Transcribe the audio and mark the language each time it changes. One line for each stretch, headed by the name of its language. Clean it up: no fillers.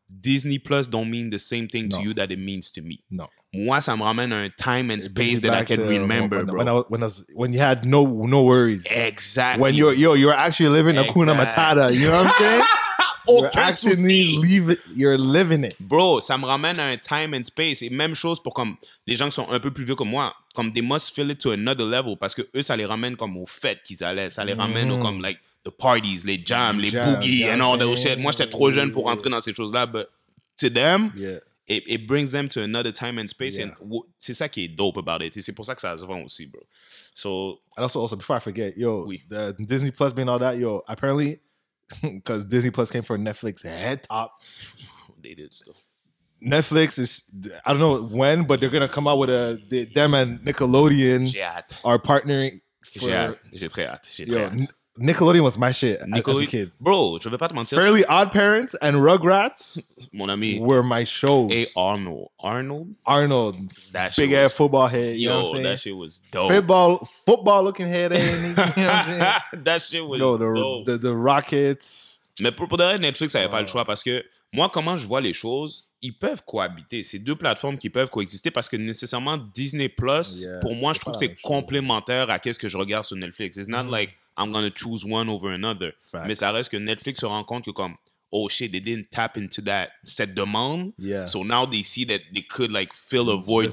English: Disney Plus don't mean the same thing to you that it means to me. No.
French: Moi, ça me ramène un
English: time and space that I can remember, when bro. When you had no worries. Exactly. When you're actually living Hakuna Matata, you know what I'm saying? You're living it.
French: Bro, ça me ramène à un
English: time and space.
French: Et même chose pour comme les gens qui sont un peu plus vieux que moi. Comme
English: they must feel it to another level
French: parce que eux, ça les ramène comme aux fêtes qu'ils allaient. Ça les ramène aux comme
English: like the parties,
French: les jams, les boogies and all that shit. Moi, j'étais trop jeune pour rentrer dans ces choses-là.
English: But to them, it brings them to another time and space. Yeah. And
French: c'est ça qui est
English: dope about it.
French: Et c'est pour ça que ça se vend aussi, bro.
English: So, and also, before I forget, the Disney Plus being all that, apparently... Because Disney Plus came for Netflix head top. They did still. Netflix is, I don't know when, but they're going to come out with them and Nickelodeon are partnering.
French: J'ai très hâte.
English: Nickelodeon was my shit as a kid.
French: Bro, je vais pas te mentir.
English: Fairly Odd Parents and Rugrats,
French: mon ami,
English: were my shows. Hey, Arnold? Arnold. That big ass football head. You know what I'm saying? That shit was dope. Football looking head. You know what I'm saying? That shit was dope. The Rockets.
French: Mais pour de vrai, Netflix avait pas le choix parce que moi, comment je vois les choses, ils peuvent cohabiter. C'est deux plateformes qui peuvent coexister parce que nécessairement, Disney Plus, pour moi, je trouve que c'est complémentaire à ce que je regarde sur Netflix.
English: It's not like I'm going to choose one over another. Facts.
French: Mais ça reste que Netflix se rend compte que comme,
English: oh shit, they didn't tap into that,
French: cette demande.
English: Yeah. So now they see that they could like fill a void